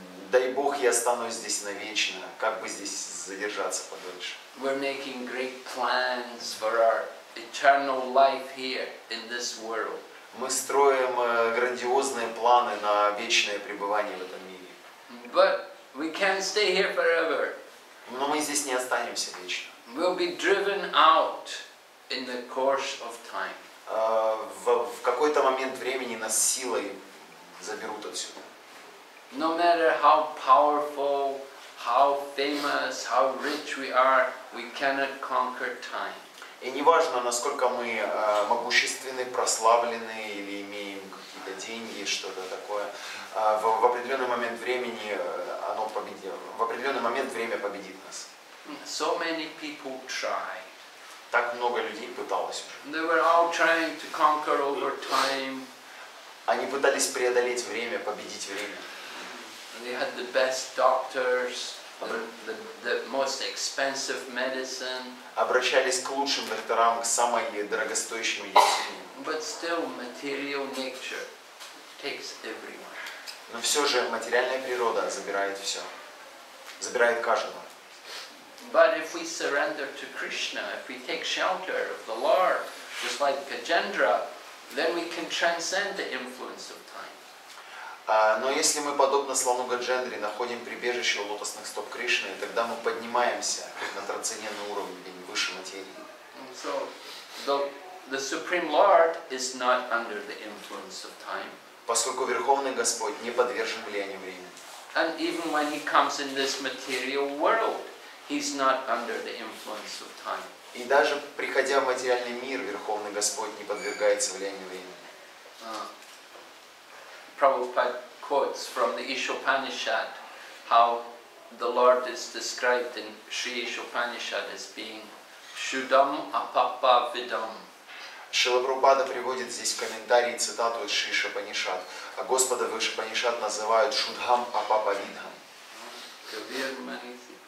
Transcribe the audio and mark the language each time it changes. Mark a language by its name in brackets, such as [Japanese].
[Russian] Дай Бог, я останусь здесь навечно. Как бы здесь задержаться подольше? [English] We're making great plans for our eternal life here in this world. [Russian] Мы строим грандиозные планы на вечное пребывание в этом мире. [English] But we can't stay here forever. [Russian] Но мы здесь не останемся вечно. [English] We'll be driven out in the course of time. [Russian] В какой-то момент времени нас силой заберут отсюда. [English] No matter how powerful, how famous, how rich we are, we cannot conquer time. [Russian] И неважно, насколько мы могущественны, прославлены или имеем какие-то деньги, что-то такое, в определенный момент времени оно победило. В определенный момент время победит нас. [English] So many people tried. [Russian] Так много людей пыталось уже. [English] They were all trying to conquer over time. [Russian] Они пытались преодолеть время, победить время. [English] They had the best doctors, the most expensive medicine. [Russian] Обращались к лучшим докторам, к самой дорогостоящей медицине. [English] But still, material nature takes everyone. [Russian] Но все же материальная природа забирает все, забирает каждого. [English] But if we surrender to Krishna, if we take shelter of the Lord, just like Gajendra, then we can transcend the influence of time. [Russian] Но если мы, подобно слону Гаджендре, находим прибежище у лотосных стоп Кришны, тогда мы поднимаемся на трансцендентный уровень или выше материи. [English] So, the Supreme Lord is not under the influence of time. [Russian] Поскольку Верховный Господь не подвержен влиянию времени. [English] And even when he comes in this material world, he's not under the influence of time. [Russian] И даже приходя в материальный мир, Верховный Господь не подвергается влиянию времени. [English] Prabhupada quotes from the Ishopanishad how the Lord is described in Sri Ishopanishad as being [Sanskrit] Shudam Apapa Vidam. [Russian] Шрила Прабхупада приводит здесь в комментарии цитату из Шри Ишопанишад. А Господа в Ишопанишад называют [Sanskrit] Шудхам Апапа Видхам.